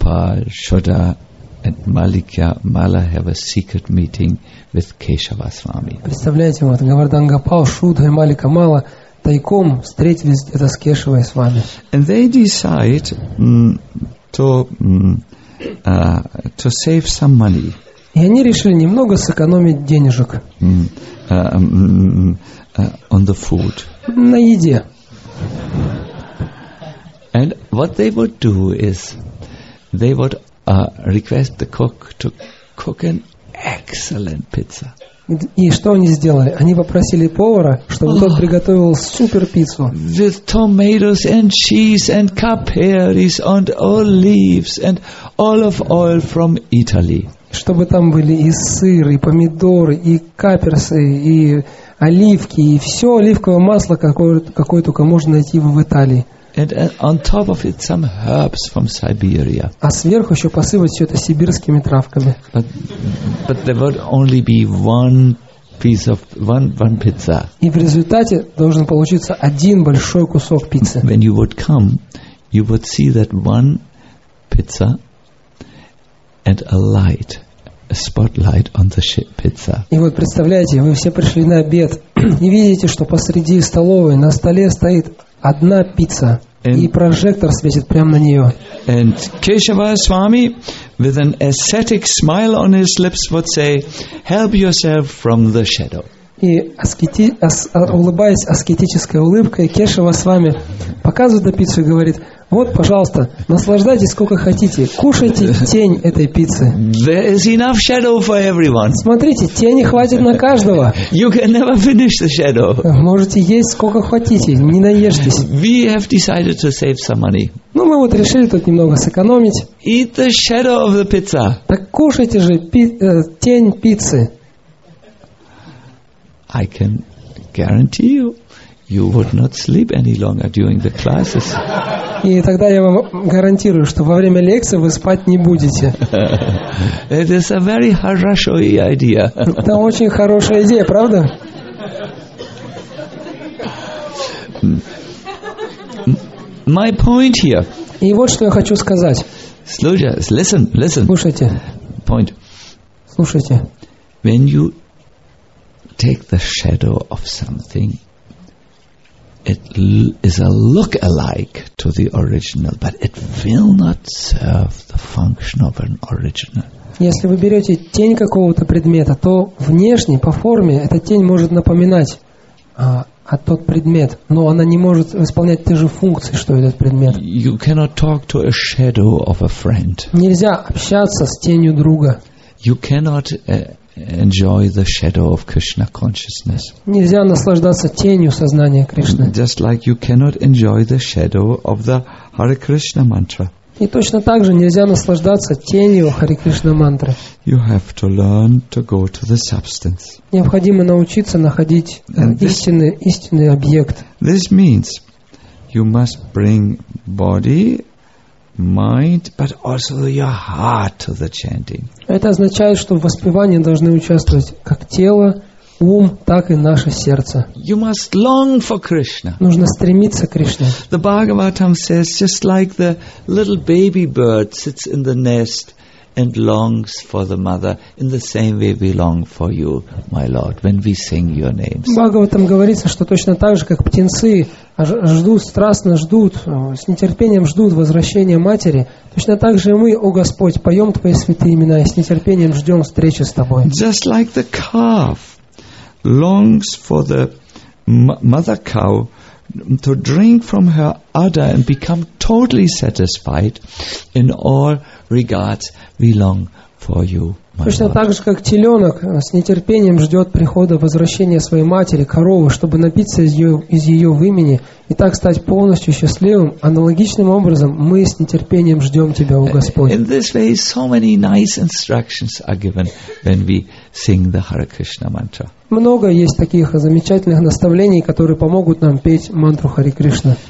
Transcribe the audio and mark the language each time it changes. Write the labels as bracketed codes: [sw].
[en] And Malika Mala have a secret meeting with Keshava Swami. [ru] Представляете, вот Говардан Гопал, Шудха и Малика Мала тайком встретились это с Кешавой Свами. [en] And they decide to save some money. [ru] И они решили немного сэкономить денежек. [en] On the food. [ru] На еде. [en] And what they would do is they would request the cook to cook an excellent pizza. [ru] И что они сделали? Они попросили повара, чтобы тот приготовил супер пиццу. [en] With tomatoes and cheese and capers and olives and olive oil from Italy. [ru] Чтобы там были и сыр, и помидоры, и каперсы, и оливки, и все оливковое масло, какое только можно найти в Италии. [en] And on top of it, some herbs from Siberia. [ru] А сверху еще посыпать все это сибирскими травками. [en] But there would only be one pizza. [ru] И в результате должен получиться один большой кусок пиццы. [en] When you would come, you would see that one pizza and a light, a spotlight on the pizza. [ru] И вот представляете, вы все пришли на обед и видите, что посреди столовой на столе стоит одна пицца. И прожектор светит прямо на нее. [en] And Keshava Swami, with an ascetic smile on his lips, would say, "Help yourself from the shadow." [ru] И улыбаясь аскетической улыбкой, Кешава Свами показывает на пиццу и говорит: "Вот, пожалуйста, наслаждайтесь сколько хотите, кушайте тень этой пиццы." [en] There is enough shadow for everyone. [ru] Смотрите, тени хватит на каждого. [en] You can never finish the shadow. [ru] Можете есть сколько хотите, не наешьтесь. [en] We have decided to save some money. [ru] Ну, мы вот решили тут немного сэкономить. [en] Eat the shadow of the pizza. [ru] Так кушайте же тень пиццы. [en] I can guarantee you would not sleep any longer during the classes. [ru] И тогда я вам гарантирую, что во время лекции вы спать не будете. [en] It is a very [ru] хорошо [en] idea. [ru] Это очень хорошая идея, правда? [en] My point here. [ru] И вот что я хочу сказать. [en] Listen. [ru] Слушайте. [en] Point. [ru] Слушайте. [en] When you take the shadow of something, it is a look alike to the original, but it will not serve the function of an original. [ru] Если вы берете тень какого-то предмета, то внешне, по форме, эта тень может напоминать тот предмет, но она не может исполнять те же функции, что этот предмет. [en] You cannot talk to a shadow of a friend. [ru] Нельзя общаться с тенью друга. [en] You cannot enjoy the shadow of Krishna consciousness. [ru] Нельзя наслаждаться тенью сознания Кришны. [en] Just like you cannot enjoy the shadow of the Hare Krishna mantra. [ru] И точно так же нельзя наслаждаться тенью Хари Кришна мантры. [en] You have to learn to go to the substance. [ru] Необходимо научиться находить истинный объект. [en] This means you must bring body, mind, but also your heart to the chanting. [ru] Это означает, что в воспевании должны участвовать как тело, ум, так и наше сердце. [en] You must long for Krishna. [ru] Нужно стремиться к Кришне. [en] The Bhagavatam says, just like the little baby bird sits in the nest and longs for the mother, in the same way we long for you, my Lord, when we sing your names. [ru] Бхагаватам говорится, что точно так же, как птенцы ждут, страстно ждут, с нетерпением ждут возвращения матери, точно так же и мы, о Господь, поем Твои святые имена и с нетерпением ждем встречи с Тобой. [en] Just like the calf longs for the mother cow to drink from her udder and become totally satisfied in all regards, we long for you, my Lord. [ru] Точно так же, как теленок с нетерпением ждет прихода возвращения своей матери, коровы, чтобы напиться из ее вымени и так стать полностью счастливым, аналогичным образом мы с нетерпением ждем тебя, о Господь. [en] In this way, so many nice instructions are given when we sing the Hare Krishna mantra. [ru] Много есть таких замечательных наставлений, которые помогут нам петь мантру Хари Кришна.